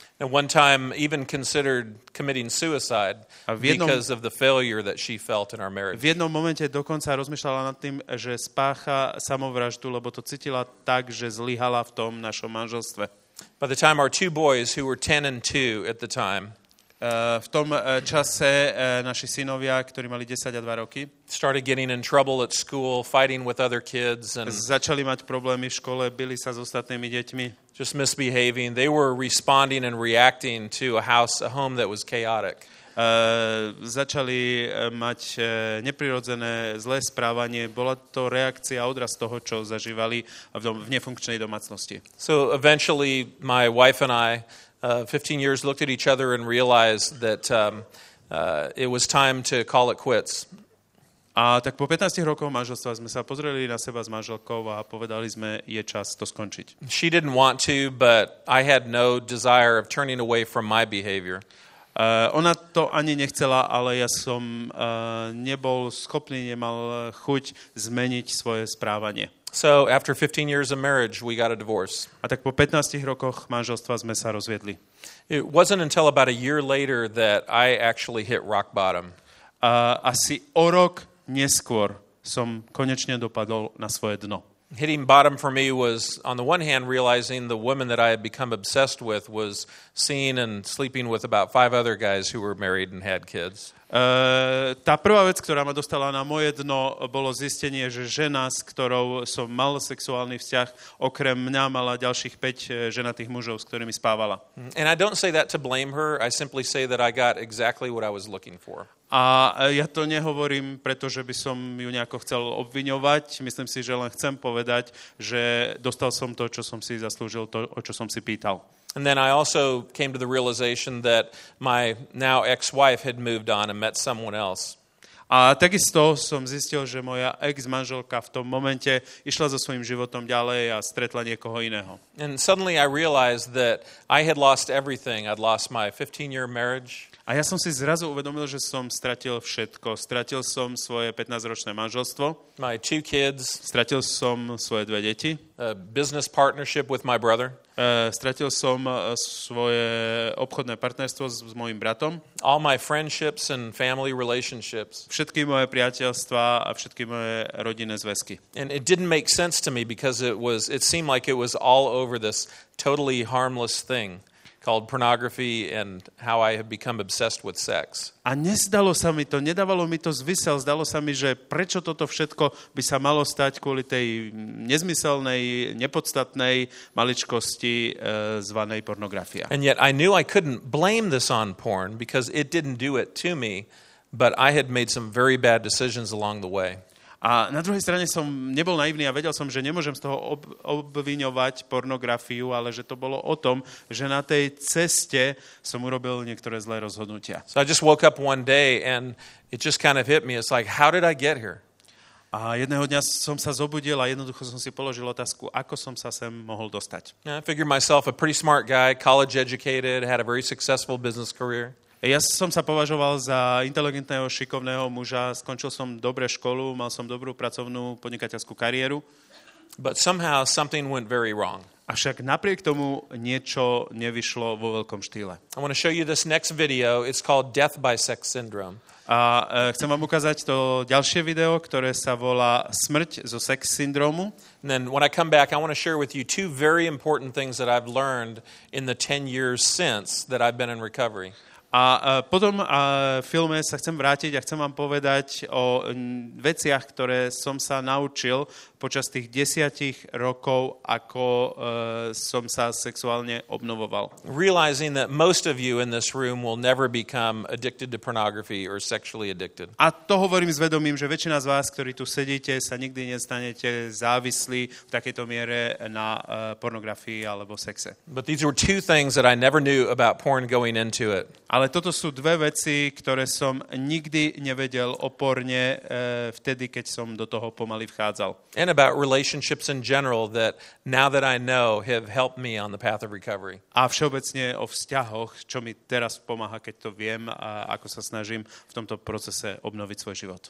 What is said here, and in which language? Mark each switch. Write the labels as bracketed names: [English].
[English] And one time even considered committing suicide because of the failure that she felt in our marriage. [Slovak] V jednom momente dokonca rozmýšľala nad tým, že spácha samovraždu, lebo to cítila tak, že zlyhala v tom našom manželstve. [English] By the time our two boys who were 10 and 2 at the time, [Slovak] v tom čase naši synovia, ktorí mali 10 a 2 roky, [English] started getting in trouble at school, fighting with other kids and [Slovak] začali mať problémy v škole, bili sa s ostatnými deťmi. [English] Just misbehaving, they were responding and reacting to a home that was chaotic. [Slovak] Začali mať neprirodzené zlé správanie, bola to reakcia odraz toho, čo zažívali v nefunkčnej domácnosti. [English] So eventually my wife and I 15 years looked at each other and realized that it was time to call it quits. [Slovak] A tak po 15 rokoch manželstva sme sa pozreli na seba s manželkou a povedali sme, je čas to skončiť. [English] She didn't want to, but I had no desire of turning away from my behavior. [Slovak] Ona to ani nechcela, ale ja som nebol schopný, nemal chuť zmeniť svoje správanie. [English] So after 15 years of marriage, we got a divorce. [Slovak] A tak po 15 rokoch manželstva sme sa rozviedli. [English] It wasn't until about a year later that I actually hit rock bottom. [Slovak] Asi o rok neskôr som konečne dopadol na svoje dno. [English] Hitting bottom for me was on the one hand realizing the woman that I had become obsessed with was seen and sleeping with about 5 other guys who were married and had kids. [Slovak] Tá prvá vec, ktorá ma dostala na moje dno, bolo zistenie, že žena, s ktorou som mal sexuálny vzťah, okrem mňa mala ďalších 5 ženatých mužov, s ktorými spávala. [English] And I don't say that to blame her, I simply say that I got exactly what I was looking for. [Slovak] A ja to nehovorím, pretože by som ju nejako chcel obviňovať. Myslím si, že len chcem povedať, že dostal som to, čo som si zaslúžil, to, o čo som si pýtal. [English] And then I also came to the realization that my now ex-wife had moved on and met someone else. [Slovak] A takisto som zistil, že moja ex-manželka v tom momente išla so svojím životom ďalej a stretla niekoho iného. [English] And suddenly I realized that I had lost everything. I'd lost my 15-year marriage. [Slovak] A ja som si zrazu uvedomil, že som stratil všetko. Stratil som svoje 15-ročné manželstvo. [English] My two kids. [Slovak] Stratil som svoje 2 deti. [English] business partnership with my brother. [Slovak] Stratil som svoje obchodné partnerstvo s mojim bratom. [English] All my friendships and family relationships. [Slovak] Všetky moje priateľstvá a všetky moje rodinné zväzky. [English] And it didn't make sense to me because it seemed like it was all over this totally harmless thing called pornography and how I have become obsessed with sex. [Slovak] A nezdalo sa mi to, nedávalo mi to zmysel, zdalo sa mi, že prečo toto všetko by sa malo stať kvôli tej nezmyselnej, nepodstatnej maličkosti zvanej pornografia. [English] And yet I knew I couldn't blame this on porn because it didn't do it to me, but I had made some very bad decisions along the way. [Slovak] A na druhej strane som nebol naivný a vedel som, že nemôžem z toho obviňovať pornografiu, ale že to bolo o tom, že na tej ceste som urobil niektoré zlé rozhodnutia. [English] So I just woke up one day and it just kind of hit me. It's like, how did I get here? [Slovak] A jedného dňa som sa zobudil a jednoducho som si položil otázku, ako som sa sem mohol dostať. [English] I figured myself a pretty smart guy, college educated, had a very successful business career. [Slovak] Ja som sa považoval za inteligentného, šikovného muža. Skončil som dobre školu, mal som dobrú pracovnú podnikateľskú kariéru. [English] But somehow something went very wrong. [Slovak] Avšak napriek tomu niečo nevyšlo vo veľkom štýle. [English] I want to show you this next video. It's called Death by Sex Syndrome. [Slovak] A chcem vám ukázať to ďalšie video, ktoré sa volá Smrť zo sex syndromu. [English] And then when I come back, I want to share with you two very important things that I've learned in the 10 years since that I've been in recovery. [Slovak] A potom v filme sa chcem vrátiť a chcem vám povedať o veciach, ktoré som sa naučil počas tých 10 rokov, ako som sa sexuálne obnovoval. [English] Realizing that most of you in this room will never become addicted to pornography or sexually addicted. [Slovak] A to hovorím s vedomím, že väčšina z vás, ktorí tu sedíte, sa nikdy nestanete závislí v takejto miere na pornografii alebo sexe. [English] But these were two things that I never knew about porn going into it. [Slovak] Ale toto sú dve veci, ktoré som nikdy nevedel o porne vtedy, keď som do toho pomaly vchádzal. [English] And about relationships in general that now that I know have helped me on the path of recovery. [Slovak] A všeobecne o vzťahoch, čo mi teraz pomáha, keď to viem a ako sa snažím v tomto procese obnoviť svoj život.